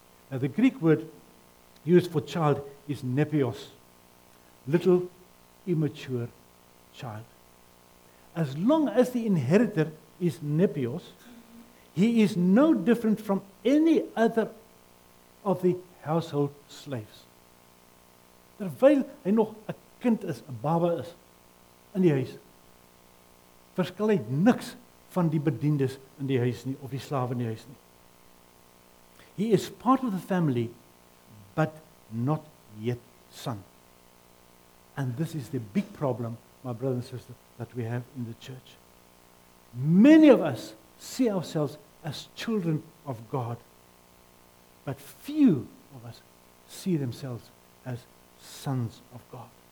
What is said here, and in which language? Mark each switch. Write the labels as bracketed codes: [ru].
[en] Now the Greek word used for child is nepios, little immature child. As long as the inheritor is nepios, he is no different from any other of the household slaves. [af] Terwyl hy nog 'n kind is, 'n baba is, in die huis, verskil hy niks van die bediendes in die huis nie, of die slawe in die huis nie. [en] He is part of the family, but not yet son. And this is the big problem, my brother and sister, that we have in the church. Many of us see ourselves as children of God, but few of us see themselves as sons of God.